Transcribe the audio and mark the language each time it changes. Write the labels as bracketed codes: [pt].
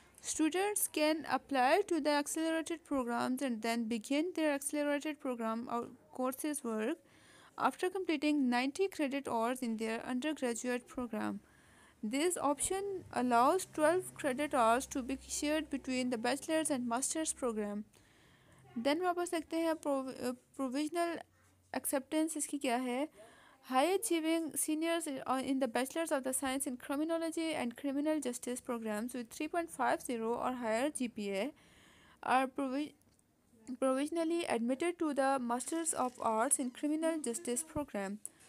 [en] Students can apply to the accelerated programs and then begin their accelerated program or courses work after completing 90 credit hours in their undergraduate program. This option allows 12 credit hours to be shared between the bachelor's and master's program. [ur] Then واپس دیکھتے ہیں provisional acceptance اس کی کیا ہے. [en] High achieving seniors in the bachelor's of the science in criminology and criminal justice programs with 3.50 or higher GPA are provisionally admitted to the master's of arts in criminal justice program.